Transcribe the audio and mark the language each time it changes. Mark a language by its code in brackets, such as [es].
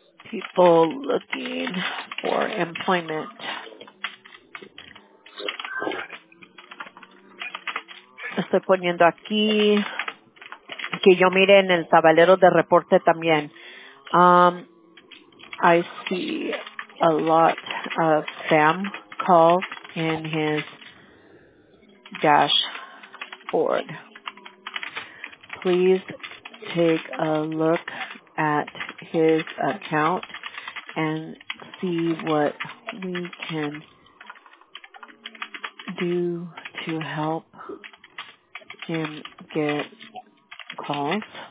[en] People looking for employment. [es] Estoy poniendo aquí que yo mire en el tablero de reporte también. [en] I see a lot of Sam called in his dashboard. Please take a look at his account and see what we can do to help him get calls.